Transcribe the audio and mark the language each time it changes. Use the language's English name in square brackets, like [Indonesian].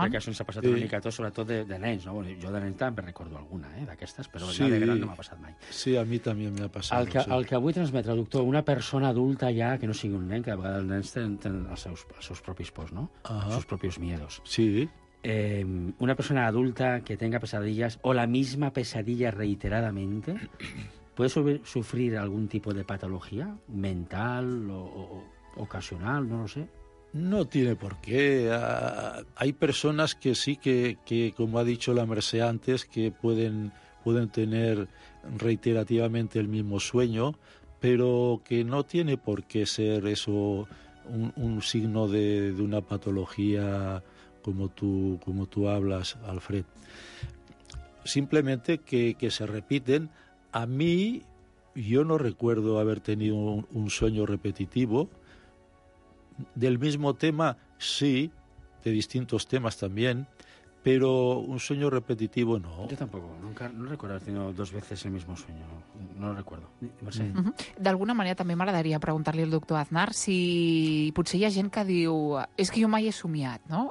[Catalan] Crec que això ens ha passat una mica a tots, sobretot de nens, no? Bueno, jo de nens també recordo alguna, d'aquestes, però sí, de gran no m'ha passat mai. Sí, a mi també m'ha passat. El que vull transmetre, doctor, una persona adulta ja, que no sigui un nen, que a vegades els nens tenen els seus propis pors, no?, els seus propis miedos. Sí. [Spanish] Una persona adulta que tenga pesadillas o la misma pesadilla reiteradamente, ¿puede sufrir [Catalan] algun tipus de patologia mental o ocasional, [Spanish] no lo sé? No tiene por qué. Hay personas que sí que como ha dicho la Mercé antes, que pueden tener reiterativamente el mismo sueño, pero que no tiene por qué ser eso un signo de una patología como tú hablas, Alfred. Simplemente que se repiten. A mí, yo no recuerdo haber tenido un sueño repetitivo. Del mismo tema, sí, de distintos temas también, pero un sueño repetitivo no. Yo tampoco, nunca, no recuerdo haber tenido dos veces el mismo sueño, no lo recuerdo. [Catalan] Mercè. D'alguna manera també m'agradaria preguntar-li al doctor Aznar si potser hi ha gent que diu és que jo mai he somiat, no?